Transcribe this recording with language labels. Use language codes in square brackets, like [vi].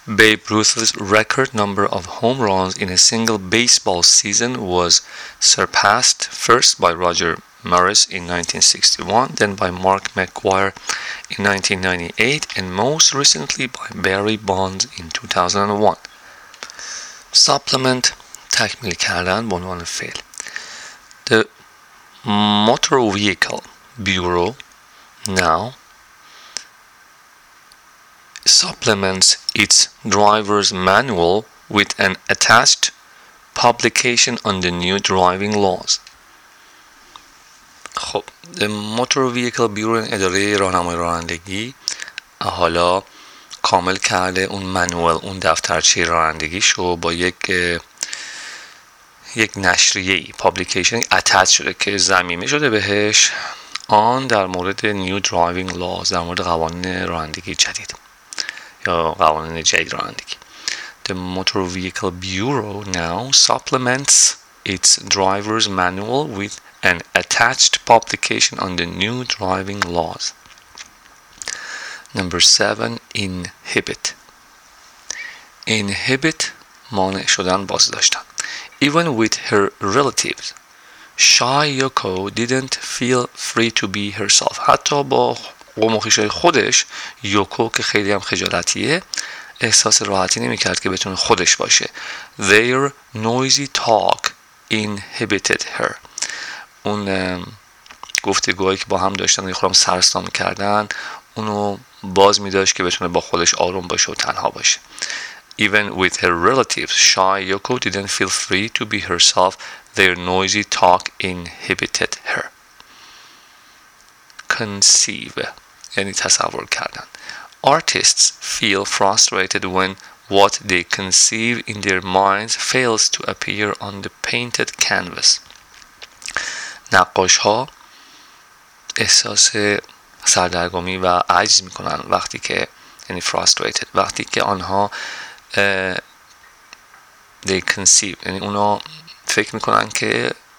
[en] Babe Ruth's record number of home runs in a single baseball season was surpassed first by Roger Maris in 1961, then by Mark McGuire in 1998, and most recently by Barry Bonds in 2001. [fa] Supplement تکمیل کردن به عنوان فعل. [en] The Motor Vehicle Bureau now supplements its driver's manual with an attached publication on the new driving laws. [fa] خب The Motor Vehicle Bureau اداره راهنمای رانندگی حالا کامل کرده اون منوال، اون دفترچه رانندگیشو با یک نشریه پابلیکیشن اتچ شده که ضمیمه شده بهش، آن در مورد نیو درایوینگ لاز، در مورد قوانین رانندگی جدید یا قوانین جدید رانندگی. [en] The Motor Vehicle Bureau now supplements its driver's manual with an attached publication on the new driving laws. Number 7. Inhibit. [fa] Inhibit مانع شدن، باز داشتن. [en] Even with her relatives, shy Yoko didn't feel free to be herself. [fa] حتی با قوم و خویشای خودش، یوکو که خیلی هم خجالتیه، احساس راحتی نمی کرد که بتونه خودش باشه. [en] Their noisy talk inhibited her. [fa] اون گفتگوهایی که با هم داشتن یه خورم سرسام کردن اونو باز می داشت که بتونه با خودش آروم باشه و تنها باشه. [en] Even with her relatives, shy Yoko didn't feel free to be herself. Their noisy talk inhibited her. [fa] Conceive, یعنی تصور کردن. [en] Artists feel frustrated when what they conceive in their minds fails to appear on the painted canvas. [fa] نقاش ها احساس سردرگمی و عجز میکنن وقتی که، یعنی frustrated، وقتی که آنها [en] they conceive، [fa] یعنی اونا فکر میکنن که